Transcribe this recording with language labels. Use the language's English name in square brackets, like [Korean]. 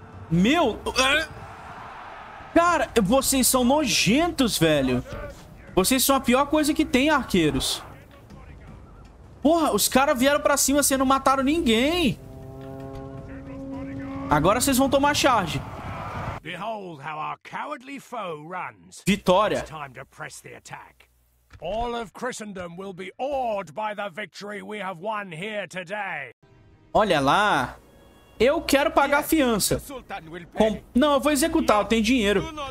[Portuguese] Meu! Cara, vocês são nojentos, velho. Vocês são a pior coisa que tem, arqueiros. Porra, os caras vieram pra cima, vocês não mataram ninguém. Agora vocês vão tomar charge. [English] Behold how our cowardly foe runs. Vitória. It's time to press the attack. All of Christendom will be awed by the victory we have won here today. [Portuguese] Olha lá. Eu quero pagar a fiança. Não, eu vou executar, eu tenho dinheiro.